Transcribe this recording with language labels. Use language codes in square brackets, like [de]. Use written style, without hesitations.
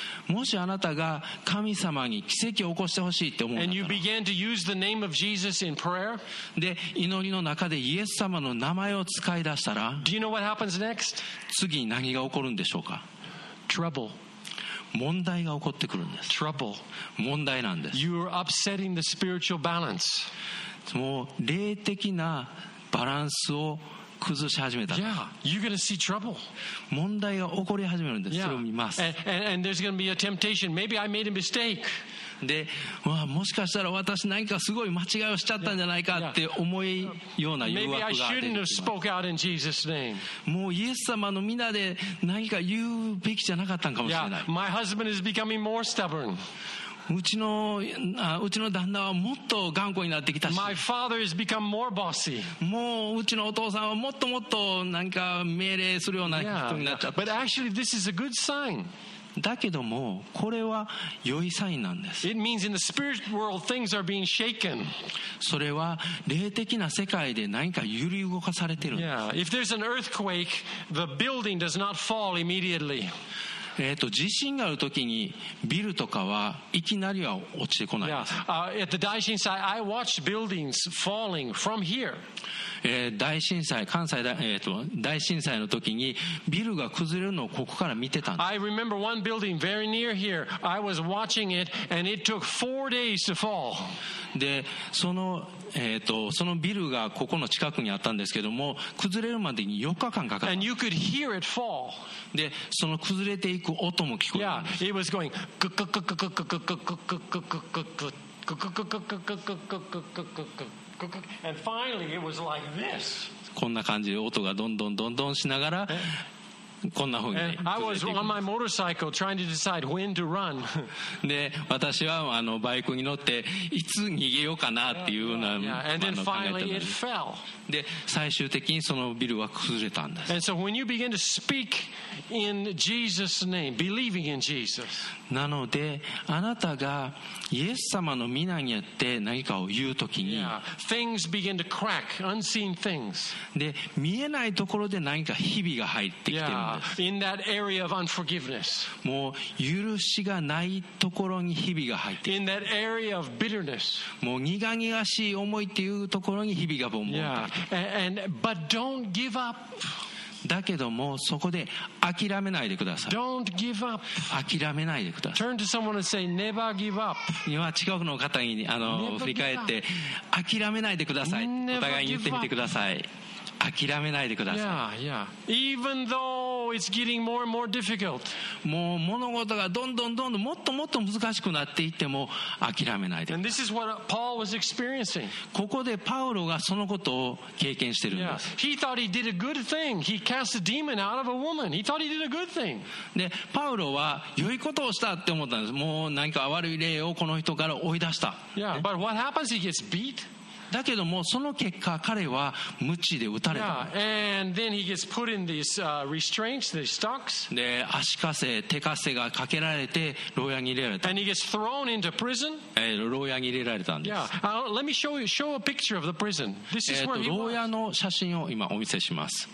[ja] もしあなたが神様に奇跡を起こしてほしいって思うなら、 [en] and you begin to use the name of Jesus in prayer, [ja] で祈りの中でイエス様の名前を使い出したら、 [en] do you know what happens next? [ja] 次に何が起こるんでしょうか。 [en] Trouble. [ja] 問題が起こってくるんです。 [en] Trouble. [ja] 問題なんです。 [en] You're upsetting the spiritual balance. [ja] もう霊的なバランスを崩し始めた。 [en] Yeah, you're gonna see trouble. [ja] 問題が起こり始めるんです。 [en] Yeah. [ja] それを見ます。 [en] And there's gonna be a temptation. Maybe I made a mistake. [ja] で、まあ、もしかしたら私何かすごい間違いをしちゃったんじゃないかって思うような誘惑が出てきます。 [en] Maybe I shouldn't have spoke out in Jesus' name. [ja] もうイエス様の皆で何か言うべきじゃなかったんかもしれない。 [en] Yeah, my husband is becoming more stubborn. [ja] うちの旦那はもっと頑固になってきたし、 [en] My father has become more bossy. [ja] もううちのお父さんはもっともっと何か命令するような人になっちゃった。 [en] Yeah, but actually, this is a good sign. [ja] だけどもこれは良いサインなんです。 [en] It means in the spirit world, things are being shaken. [ja] それは霊的な世界で何か揺り動かされてるんです。 [en] Yeah. If there's an earthquake, the building does not fall immediately. [ja] 地震があるときにビルとかはいきなりは落ちてこないです。 [en] Yeah. At the 大震災, I watched buildings falling from here. [ja] 大震災、関西 大震災の時にビルが崩れるのをここから見てたんです。 [en] I remember one building very near here. I was watching it and it took four days to fall. [ja] で、そのビルがここの近くにあったんですけども、崩れるまでに4日間かかった。 [en] And you could hear it fall. [ja] で、その崩れていく音も聞こえるんです。 [en] Yeah, it was going クククククククククククククククククククククククククAnd finally it was like this. [ja] こんな感じで音がどんどんどんどんしながら、こんな風に。 [en] I was on my motorcycle trying to decide when to run. [ja] で、私はあのバイクに乗っていつ逃げようかなっていうような考えてました。で、最終的にそのビルは崩れたんです。 [en] And so when you begin to speak in Jesus' name, believing in Jesus. [ja] なのであなたがイエス様の皆によって何かを言うときに、 [en] yeah. things begin to crack, unseen things. [ja] で、見えないところで何かひびが入ってきてるんです。 [en] Yeah. In that area of unforgiveness. [ja] もう許しがないところにひびが入ってきて。 [en] In that area of bitterness. [ja] もう苦々しい思いっていうところにひびがボンボン入ってきて。 [en] Yeah. And but don't give up. [ja] だけどもそこで諦めないでください。 [en] Don't give up. [ja] 諦めないでください。 [en] Turn to someone and say, never give up. [ja] 今近くの方にあの振り返って諦めないでください。お互いに言ってみてください。諦めないでください。 [en] Yeah, yeah. Even though it's getting more and more difficult. [ja] もう物事がどんどんどんどんもっともっと難しくなっていっても諦めないでください。 [en] And this is what Paul was experiencing. [ja] ここでパウロがそのことを経験してるんです。 [en] Yeah. He thought he did a good thing. He cast a demon out of a woman. He thought he did a good thing. [ja] で、パウロは良いことをしたって思ったんです。もう何か悪い霊をこの人から追い出した。 [en] Yeah, but what happens? He gets beat. [ja] だけどもその結果彼は鞭で打たれた。 [en] Yeah, and then he gets put in these restraints, these stocks. [ja] で足かせ手かせがかけられて牢屋に入れられた。 [en] And he gets thrown into prison. [ja] 牢屋に入れられたんです。 [en] Yeah, let me show a picture of the prison. This is where he was. [ja] 牢屋の写真を今お見せします。